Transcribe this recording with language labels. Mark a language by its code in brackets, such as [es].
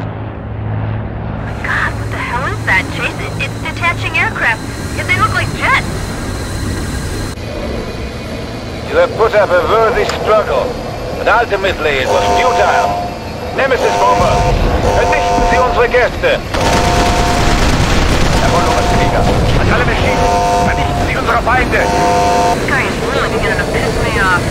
[en] Oh my God, what the hell is that, Chase? It's detaching aircraft. Yeah, they look like jets. You have put up a worthy struggle, but ultimately it was futile. [de] Nemesis bomber, vernichten Sie unsere Gäste! Herr Volumensflieger, an alle Maschinen, vernichten Sie unsere Feinde! [en] This guy is really beginning to piss me off.